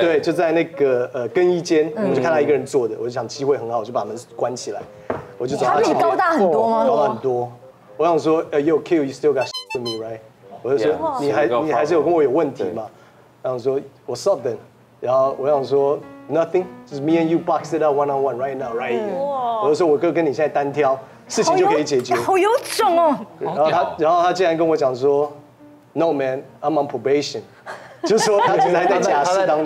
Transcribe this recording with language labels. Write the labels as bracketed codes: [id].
[zh] 对，就在那个更衣间，我就看他一个人坐的，我就想机会很好，我就把门关起来，我就走到他比你高大很多吗？高大很多。我想说， [en] you're cute, you still got shit with me, right? [zh] 我就说你还是有跟我有问题吗？然后说 [en] What's up then？ [zh] 然后我想说 [en] Nothing， just me and you box it out one on one right now， right？ [zh] 我就说我哥跟你现在单挑，事情就可以解决。好有种哦！然后他竟然跟我讲说 [en] No man， I'm on probation， [zh] 就说他只在假释当中。